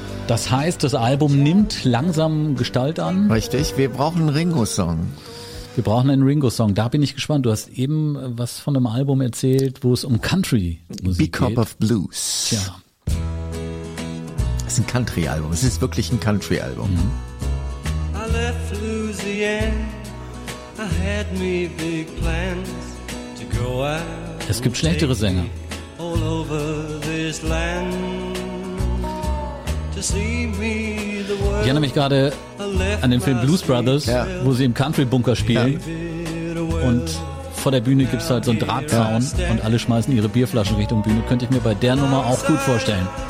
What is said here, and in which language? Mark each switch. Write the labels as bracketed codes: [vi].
[de] Das heißt, das Album nimmt langsam Gestalt an. Richtig, wir brauchen einen Ringo-Song. Wir brauchen einen Ringo-Song. Da bin ich gespannt. Du hast eben was von einem Album erzählt, wo es um Country-Musik geht. Cup of Blues. Ja. Es ist ein Country-Album. Es ist wirklich ein Country-Album. [en] I left Louisiana. I had me big plans to go out. [de] Es gibt schlechtere Sänger. [en] All over this land to see me the world. [de] Ich erinnere mich gerade an den Film Blues Brothers, wo sie im Country-Bunker spielen. Und vor der Bühne gibt es halt so einen Drahtzaun und alle schmeißen ihre Bierflaschen Richtung Bühne. Könnte ich mir bei der Nummer auch gut vorstellen.